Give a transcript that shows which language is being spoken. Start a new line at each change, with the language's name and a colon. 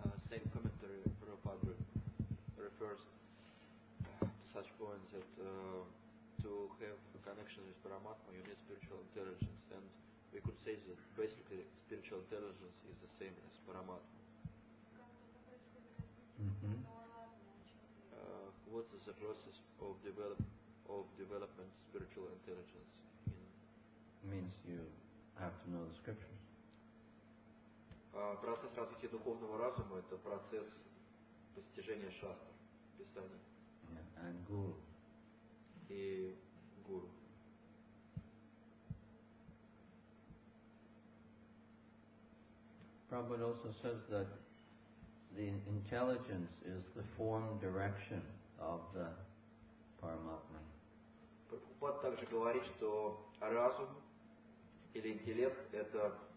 English: Same commentary Prabhupada refers to such points that to have a connection with Paramatma you need spiritual intelligence, and we could say that basically spiritual intelligence is the same as Paramatma. What is the process of development spiritual intelligence in? Means you have to know the scriptures.
Russian: Процесс развития духовного разума — это процесс постижения шастр, писания.
English: Yeah, and guru.
Russian: И гуру.
English: Prabhupada also says that the intelligence is the form direction of the Paramatma.
Russian: Прабхупада также говорит, что разум или интеллект — это